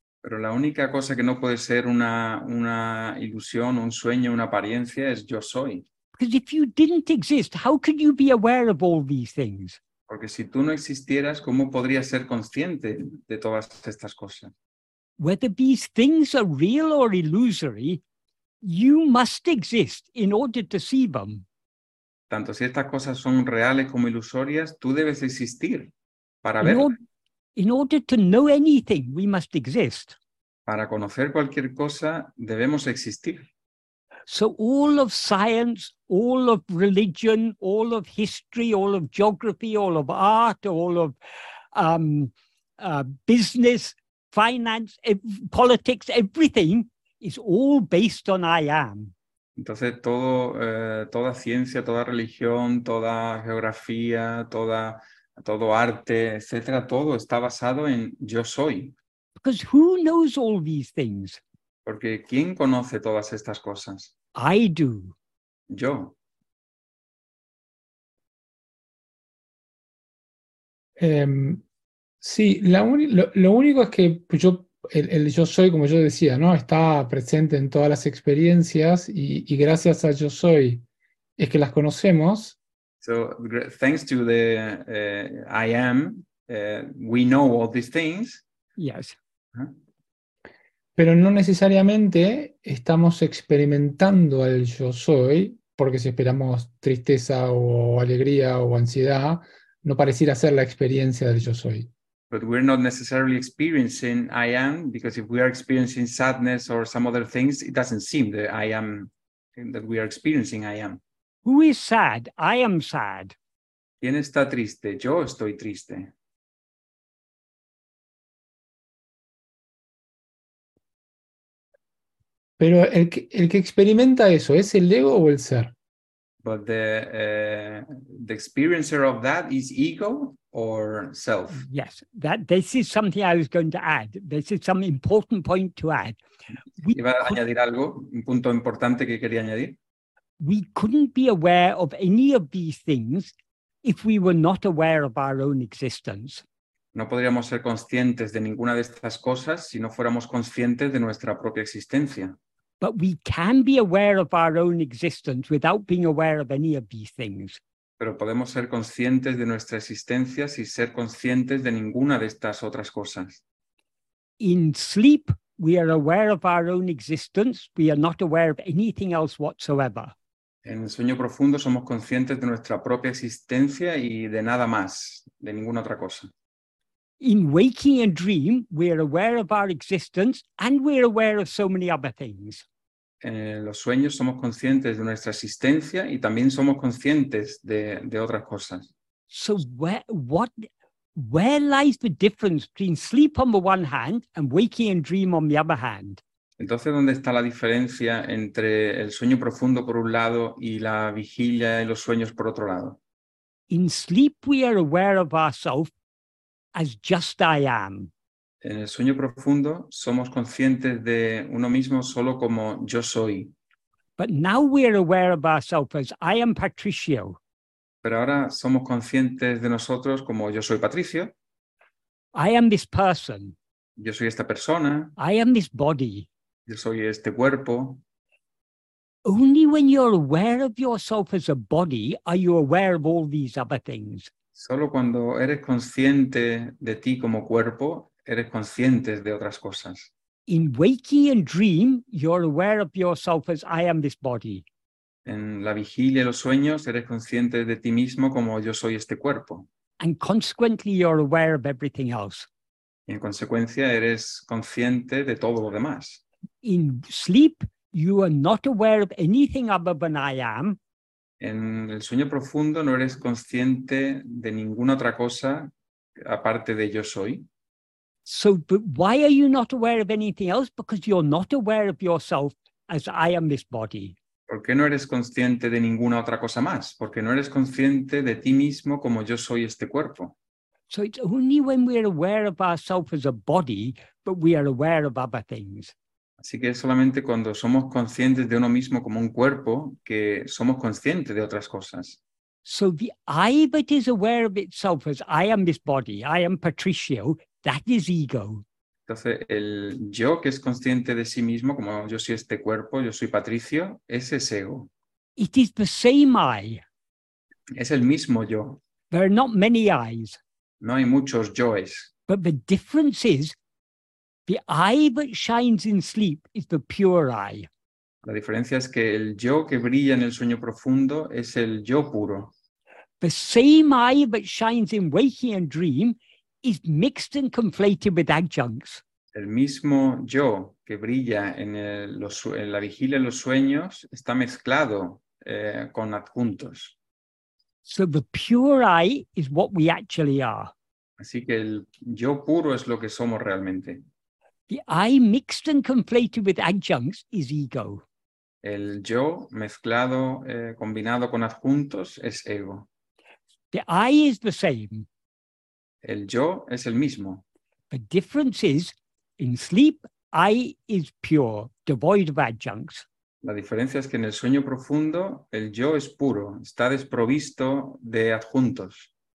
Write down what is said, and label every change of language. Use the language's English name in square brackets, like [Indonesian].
[Spanish] Pero la única cosa que no puede ser una ilusión, un sueño, una apariencia, es yo soy. [English] Because if you didn't exist, how could you be aware of all these things? [Spanish] Porque si tú no existieras, ¿cómo podrías ser consciente de todas estas cosas? [English] Whether these things are real or illusory, you must exist in order to see them. [Spanish] Tanto si estas cosas son reales como ilusorias, tú debes existir para verlas. [English] In order to know anything, we must exist. [Spanish] Para conocer cualquier cosa, debemos existir. [English] So all of science, all of religion, all of history, all of geography, all of art, all of business, finance, politics, everything is all based on I am. [Spanish] Entonces, toda ciencia, toda religión, toda geografía, todo arte, etcétera, todo está basado en yo soy. [English] Because who knows all these things? [Spanish] Porque ¿quién conoce todas estas cosas? [English] I do. [Spanish] Yo. Sí, lo único es que yo, el yo soy, como yo decía, ¿no? Está presente en todas las experiencias y gracias a yo soy es que las conocemos. [English] So, thanks to the I am, we know all these things. Yes. [Spanish] Pero no necesariamente estamos experimentando al yo soy, porque si esperamos tristeza o alegría o ansiedad, no pareciera ser la experiencia del yo soy. [English] But we're not necessarily experiencing I am, because if we are experiencing sadness or some other things, it doesn't seem that I am, that we are experiencing I am. Who is sad? I am sad. [Spanish] ¿Quién está triste? Yo estoy triste. Pero el que experimenta eso, ¿es el ego o el ser? [English] But the experiencer of that is ego or self? Yes, that this is something I was going to add. This is some important point to add. We couldn't be aware of any of these things if we were not aware of our own existence. [Spanish] No podríamos ser conscientes de ninguna de estas cosas si no fuéramos conscientes de nuestra propia existencia. [English] But we can be aware of our own existence without being aware of any of these things. [Spanish] Pero podemos ser conscientes de nuestra existencia sin ser conscientes de ninguna de estas otras cosas. [English] In sleep, we are aware of our own existence. We are not aware of anything else whatsoever. [Spanish] En el sueño profundo somos conscientes de nuestra propia existencia y de nada más, de ninguna otra cosa. [English] In waking and dream, we are aware of our existence and we are aware of so many other things. [Spanish] En los sueños somos conscientes de nuestra existencia y también somos conscientes de otras cosas. [English] So where lies the difference between sleep on the one hand and waking and dream on the other hand? [Spanish] Entonces, ¿dónde está la diferencia entre el sueño profundo por un lado y la vigilia y los sueños por otro lado? [English] In sleep, we are aware of ourselves as just I am. [Spanish] En el sueño profundo somos conscientes de uno mismo solo como yo soy. [English] But now we are aware of ourselves as I am Patricio. [Spanish] Pero ahora somos conscientes de nosotros como yo soy Patricio. [English] I am this person. [Spanish] Yo soy esta persona. [English] I am this body. [Spanish] Yo soy este cuerpo. [English] Only when you're aware of yourself as a body are you aware of all these other things. [Spanish] Solo cuando eres consciente de ti como cuerpo, eres consciente de otras cosas. [English] In waking and dream, you're aware of yourself as I am this body. [Spanish] En la vigilia y los sueños, eres consciente de ti mismo como yo soy este cuerpo. [English] And consequently, you're aware of everything else. [Spanish] Y en consecuencia, eres consciente de todo lo demás. [English] In sleep, you are not aware of anything other than I am. [Spanish] En el sueño profundo no eres consciente de ninguna otra cosa aparte de yo soy. [English] So, but why are you not aware of anything else? Because you're not aware of yourself as I am this body. [Spanish] ¿Por qué no eres consciente de ninguna otra cosa más? Porque no eres consciente de ti mismo como yo soy este cuerpo. [English] So it's only when we are aware of ourselves as a body, but we are aware of other things. [Spanish] Así que es solamente cuando somos conscientes de uno mismo como un cuerpo que somos conscientes de otras cosas. [English] So the I that is aware of itself as I am this body, I am Patricio, that is ego. [Spanish] Entonces el yo que es consciente de sí mismo, como yo soy este cuerpo, yo soy Patricio, ese es ego. [English] It is the same I. [Spanish] Es el mismo yo. [English] There are not many I's. [Spanish] No hay muchos yoes. [English] But the difference is, the eye that shines in sleep is the pure eye. [Spanish] La diferencia es que el yo que brilla en el sueño profundo es el yo puro. [English] The same eye that shines in waking and dream is mixed and conflated with adjuncts. [Spanish] El mismo yo que brilla en la vigilia de los sueños está mezclado con adjuntos. [English] So the pure eye is what we actually are. [Spanish] Así que el yo puro es lo que somos realmente. [English] The I mixed and conflated with adjuncts is ego. [Spanish] El yo mezclado, combinado con adjuntos, es ego. [English] The I is the same. [Spanish] El yo es el mismo. [English] The difference is, in sleep, I is pure, devoid of adjuncts. [Spanish] La diferencia es que en el sueño profundo, el yo es puro, está desprovisto de adjuntos.